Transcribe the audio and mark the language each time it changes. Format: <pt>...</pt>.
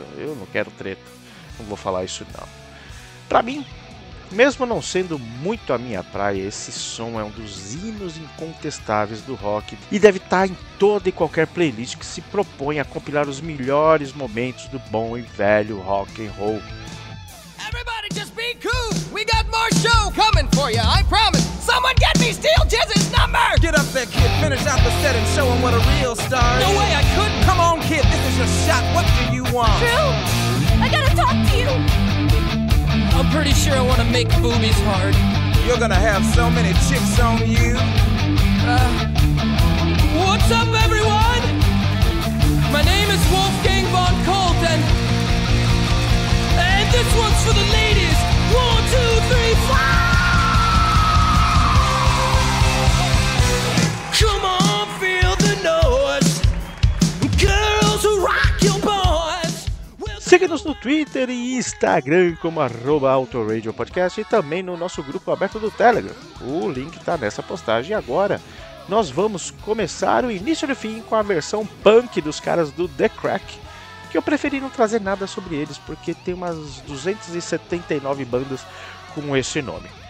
<pt>Eu não quero treta, não vou falar isso não. Para mim, mesmo não sendo muito a minha praia, esse som é um dos hinos incontestáveis do rock e deve estar em toda e qualquer playlist que se propõe a compilar os melhores momentos do bom e velho rock and roll.</pt> <en>Everybody just be cool, we got more show coming for you, I promise. Someone get me Steel Jizz's number! Get up there, kid, finish out the set and show him what a real star is. No way, I couldn't! Come on, kid, this is your shot, what do you want? Phil, I gotta talk to you! I'm pretty sure I wanna make boobies hard. You're gonna have so many chicks on you. What's up, everyone? My name is Wolfgang von Colt, and... And this one's for the ladies! 1, 2, 3, 4! Come on, feel the noise! Girls who rock your boys!</en> <pt>Siga-nos no Twitter e Instagram como @autoradiopodcast e também no nosso grupo aberto do Telegram. O link tá nessa postagem. Agora nós vamos começar o início do fim com a versão punk dos caras do The Crack, que eu preferi não trazer nada sobre eles, porque tem umas 279 bandas com esse nome.</pt>